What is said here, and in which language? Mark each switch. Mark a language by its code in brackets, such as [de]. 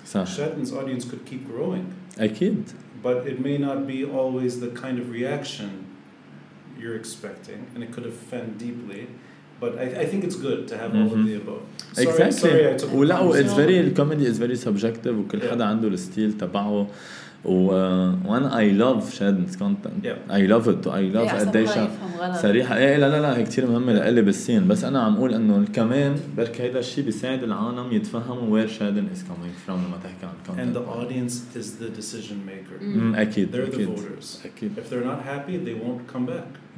[ar] صح. [en] Shatton's audience could keep growing [ar] أكيد. [en] But it may not be always the kind of reaction you're expecting and it could offend deeply. But I think it's good to have all of the above. Exactly. Sorry, sorry, it's very comedy is very subjective. [ar] وكل حدا عنده الستيل تبعه. وأنا [en] I love Shadon's content. Yeah. I love it. I love [ar] قديش صريحة. إيه لا لا لا هي كتير مهمة لقلب السين. بس أنا عم أقول إنه كمان برك هيدا الشيء بيساعد العالم يتفهموا [en] where Shadon is coming from [ar] لما تحكي عن content. [en] And the audience is the decision maker. [ar] أكيد. [en] They're the voters. [ar] أكيد. [en] If they're not happy, they won't come back.